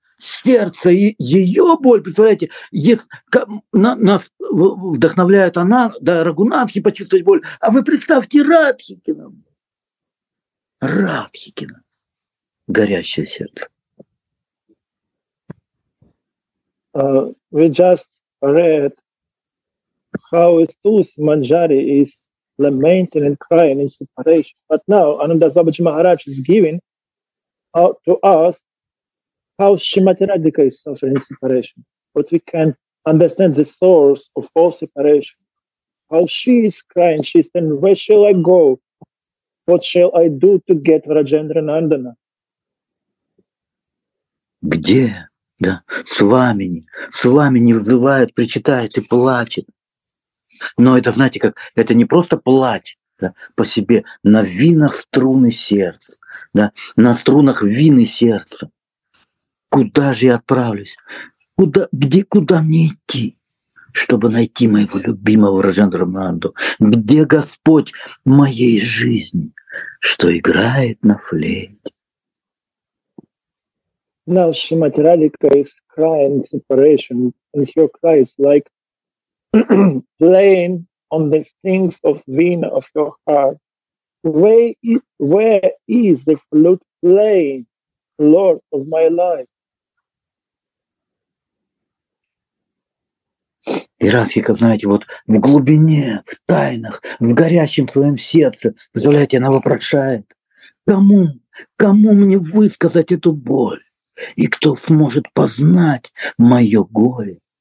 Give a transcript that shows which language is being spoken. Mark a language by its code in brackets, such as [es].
[ru] Сердце и ее боль, представляете, нас вдохновляет она, да, Рагунатхи почувствовать боль, а вы представьте Радхикина, горящее сердце. [en] We just read how is Tulsi Manjari is lamenting and crying in separation, but now Anandas Babaji Maharaj is giving out to us how Srimati Radhika is suffering separation, but we can understand the source of all separation. How she is crying, she is saying, where shall I go? What shall I do to get Враджендра Нандана? [ru] Где, да, Свамини взывает, причитает и плачет. Но это, знаете, как, это не просто плач, да, по себе, на винах струны сердца, да, на струнах вины сердца. Куда же я отправлюсь? Куда мне идти? чтобы найти моего любимого Рожендра Манду? Где Господь моей жизни, что играет на флейте? [en] Now she materialized his cry in separation, and her cry is like playing on the strings of wind of your heart. Where is the flute playing, Lord of my life? [ru] И Рафика, знаете, вот в глубине, в тайнах, в горящем своем сердце, представляете, она вопрошает, кому мне высказать эту боль? И кто сможет познать мое горе?